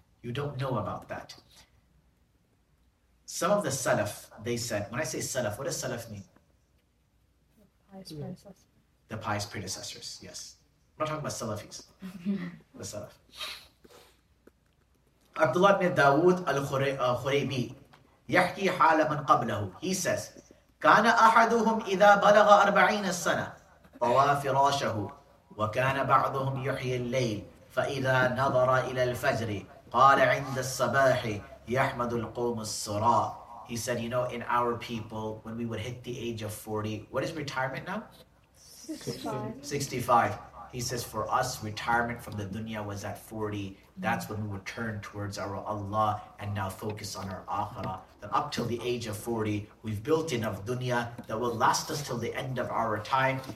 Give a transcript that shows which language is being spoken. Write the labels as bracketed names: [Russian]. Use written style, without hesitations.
[English] You don't know about that. Some of the Salaf, they said, when I say Salaf, what does Salaf mean? The pious predecessors. The pious predecessors, yes. I'm not talking about Salafis. The Salaf. Abdullah ibn Dawood al-Khuraymi, [Arabic] يحكي حال من قبله. [English] He says, [Arabic] كان أحدهم إذا بلغ أربعين سنة طوى فراشه وكان بعضهم يحيي الليل فإذا نظر إلى الفجر قال عند الصباح يحمد القوم الصراء. [English] He said, you know, in our people, when we would hit the age of 40, what is retirement now? 65. He says, for us, retirement from the dunya was at 40. That's when we would turn towards our Allah and now focus on our akhirah. That up till the age of 40, we've built enough dunya that will last us till the end of our time.